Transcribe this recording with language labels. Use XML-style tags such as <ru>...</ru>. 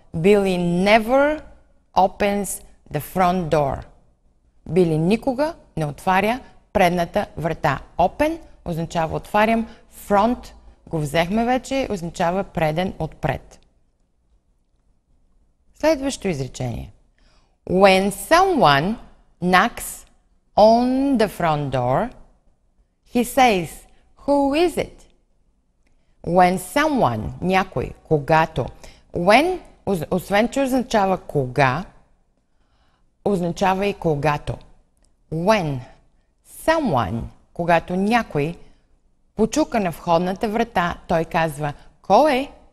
<en>Billy never opens the front door.</en> <bg>Billy никога не отваря предната врата. Open означава отварям, front го взехме вече, означава преден отпред. Следващото изречение.</bg> <en>When someone knocks on the front door, he says, who is it? When someone,</en> <bg>някой, когато. When, освен че означава кога, означава и когато.</bg> <en>When someone,</en> <bg>когато някой почука на входната врата, той казва, кой е?</bg>